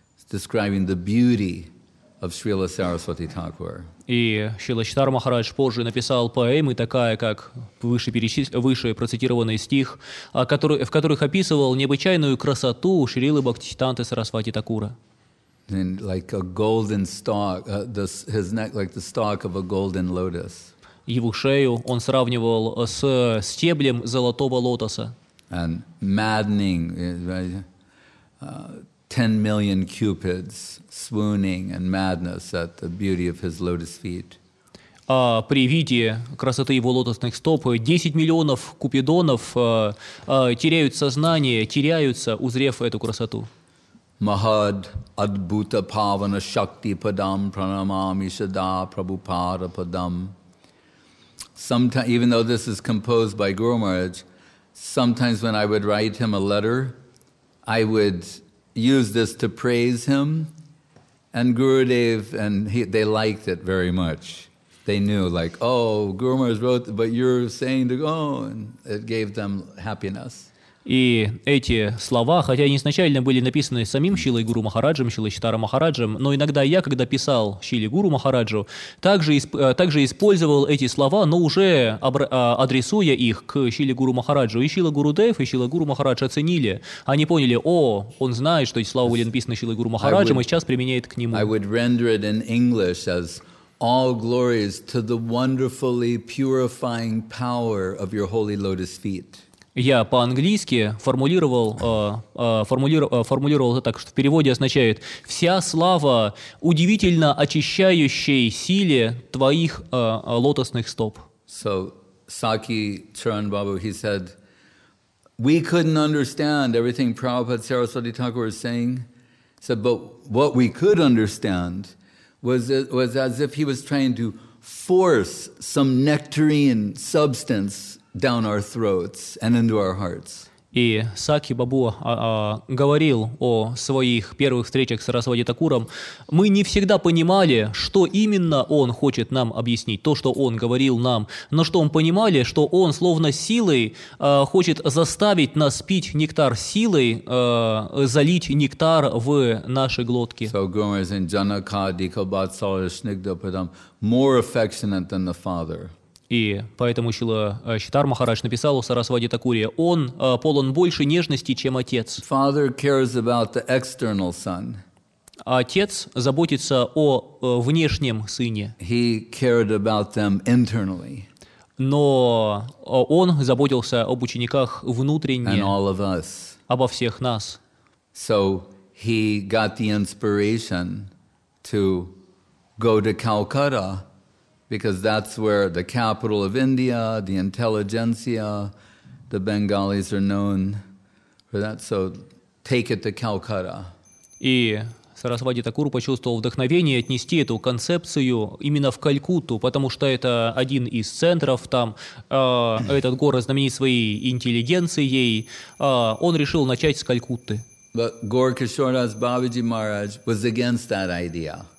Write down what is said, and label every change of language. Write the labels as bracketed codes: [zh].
[en] Describing the beauty of Srila Saraswati Thakur. [ru] И Шрила Читар Махарадж позже написал поэмы, такая как выше процитированный стих, в которых описывал необычайную красоту Шрилы Бхактисиддханты Сарасвати Такура. [en] And like a golden stalk, his neck like the stalk of a golden lotus. [ru] Его шею он сравнивал с стеблем золотого лотоса. [en] And maddening. Ten million cupids swooning and madness at the beauty of his lotus feet. [ru] При виде красоты его лотосных стоп 10 миллионов купидонов теряют сознание, теряются, узрев эту красоту. [sa] Mahad adbhuta pavana shakti padam pranamami sada prabhupada padam. [en] Sometimes, even though this is composed by Guru Maharaj, sometimes when I would write him a letter, I would use this to praise him, and Gurudev, and they liked it very much. They knew, like, oh, Guru Maharaj wrote, but you're saying to go, and it gave them happiness. [ru] И эти слова, хотя они изначально были написаны самим Шрилой Гуру Махараджем, Шрилой Читара Махараджем, но иногда я, когда писал Шриле Гуру Махараджу, также использовал эти слова, но уже адресуя их к Шриле Гуру Махараджу. И Шрила Гурудев, и Шрила Гуру Махарадж оценили. Они поняли, о, он знает, что эти слова были написаны Шрилой Гуру Махараджем, и сейчас применяет к нему. [en] I would render it in English as all glories to the wonderfully purifying power of your holy lotus feet. [ru] Я по-английски формулировал это так, что в переводе означает «вся слава удивительно очищающей силе твоих лотосных стоп». [en] So, Sakhi Charan Babu, he said, we couldn't understand everything Prabhupada Saraswati Thakur was saying. He said, but what we could understand was as if he was trying to force some nectarine substance down our throats and into our hearts. [ru] И Саки Бабу говорил о своих первых встречах с Сарасвати Такуром. Мы не всегда понимали, что именно он хочет нам объяснить, то, что он говорил нам, но что мы понимали, что он словно силой хочет заставить нас пить нектар силой, залить нектар в наши глотки. So Gomez and Janaka Dikabat Salishnigda Padam [en] more affectionate than the father. [ru] И поэтому Шрила Читар Махарадж написал о Сарасвати Такуре. Он полон больше нежности, чем отец. [en] Father cares about the external son. [ru] Отец заботится о внешнем сыне. [en] He cared about them internally. [ru] Но он заботился об учениках внутренне. [en] And all of us. [ru] Обо всех нас. [en] So he got the inspiration to go to Calcutta. Because that's where the capital of India, the intelligentsia, the Bengalis are known for that. So take it to Calcutta. [ru] И Сарасвати Такур почувствовал вдохновение отнести эту концепцию именно в Калькутту, потому что это один из центров там. Этот город знаменит своей интеллигенцией. Он решил начать с Калькутты. [en] But Gaur Kishordas Babaji Maharaj was against that idea.